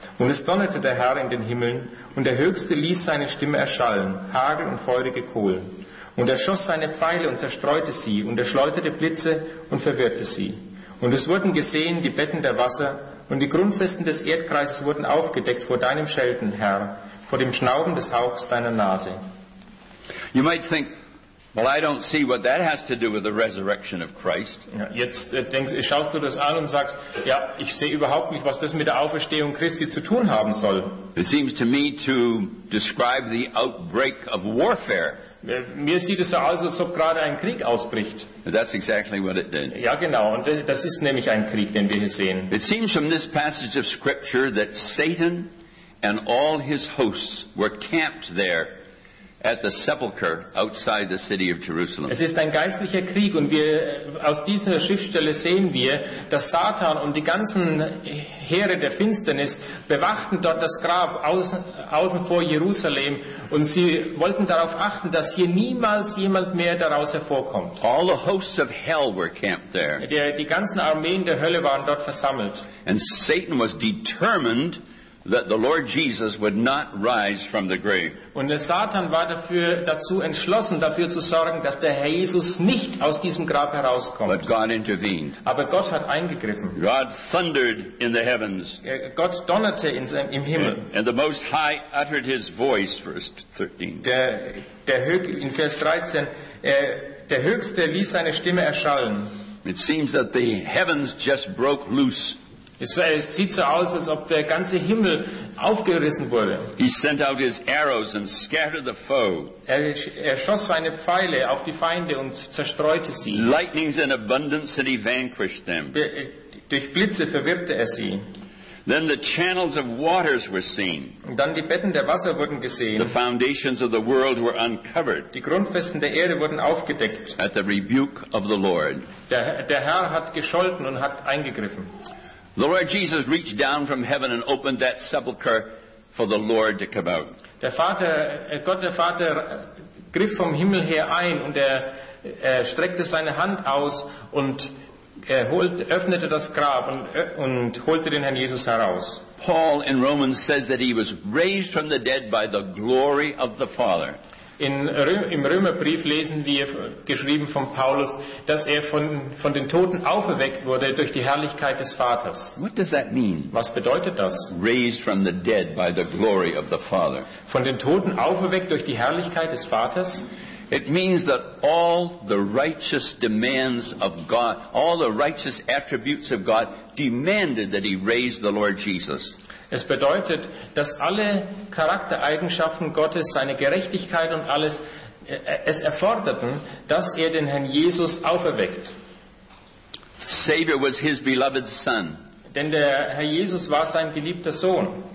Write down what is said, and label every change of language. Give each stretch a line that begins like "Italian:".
German: Und es donnerte der Herr in den Himmeln, und der Höchste ließ seine Stimme erschallen, Hagel und feurige Kohlen. Und er schoss seine Pfeile und zerstreute sie, und er schleuderte Blitze und verwirrte sie. Und es wurden gesehen die Betten der Wasser, und die Grundfesten des Erdkreises wurden aufgedeckt vor deinem Schelten, Herr, vor dem Schnauben des Hauchs deiner Nase.
English: You might think, well, I don't see what that has to do with the resurrection of Christ.
German: Ja, jetzt schaust du das an und sagst, ja, ich sehe überhaupt nicht, was das mit der Auferstehung Christi zu tun haben soll.
English: It seems to me to describe the outbreak of warfare.
German: Mir sieht es so aus, als ob gerade ein Krieg ausbricht.
English: That's exactly what it did.
German: Ja, genau. Und das ist nämlich ein Krieg, den wir hier sehen.
English: It seems from this passage of scripture that Satan and all his hosts were camped there at the sepulchre outside the city of Jerusalem.
German: Es ist ein geistlicher Krieg, und wir aus dieser Schriftstelle sehen wir, dass Satan und die ganzen Heere der Finsternis bewachten dort das Grab außen vor Jerusalem, und sie wollten darauf achten, dass hier niemals jemand mehr daraus hervorkommt.
English: All the hosts of hell were camped there.
German: Die ganzen Armeen der Hölle waren dort versammelt.
English: And Satan was determined that the Lord Jesus would not rise from the grave.
German: Und der Satan war dazu entschlossen, dafür zu sorgen, dass der Herr Jesus nicht aus diesem Grab herauskommt.
English: But God intervened.
German: Aber Gott hat eingegriffen.
English: God thundered in the heavens.
German: Gott donnerte im Himmel.
English: And the Most High uttered his voice, verse 13.
German: In Vers 13, der Höchste ließ seine Stimme erschallen.
English: It seems that the heavens just broke loose.
German: Es sieht so aus, als ob der ganze Himmel aufgerissen wurde.
English: He sent out his arrows and scattered the foe.
German: Er schoss seine Pfeile auf die Feinde und zerstreute sie.
English: Lightnings in abundance and he vanquished them.
German: Durch Blitze verwirrte er sie.
English: Then the channels of waters were seen.
German: Und dann die Betten der Wasser wurden gesehen.
English: The foundations of the world were uncovered.
German: Die Grundfesten der Erde wurden aufgedeckt.
English: At the rebuke of the Lord.
German: Der Herr hat gescholten und hat eingegriffen.
English: The Lord Jesus reached down from heaven and opened that sepulcher for the Lord to come out.
German: Gott der Vater griff vom Himmel her ein, und er streckte seine Hand aus und öffnete das Grab und holte den Herrn Jesus heraus.
English: Paul in Romans says that he was raised from the dead by the glory of the Father.
German: Im Römerbrief lesen wir, geschrieben von Paulus, dass er von den Toten auferweckt wurde durch die Herrlichkeit des Vaters.
English: What does that mean?
German: Was bedeutet das?
English: Raised from the dead by the glory of the Father.
German: Von den Toten auferweckt durch die Herrlichkeit des Vaters.
English: It means that all the righteous demands of God, all the righteous attributes of God, demanded that he raise the Lord Jesus.
German: Es bedeutet, dass alle Charaktereigenschaften Gottes, seine Gerechtigkeit und alles, es erforderten, dass er den Herrn Jesus auferweckt.
English: Savior was his beloved son.
German: Denn der Herr Jesus war sein geliebter Sohn.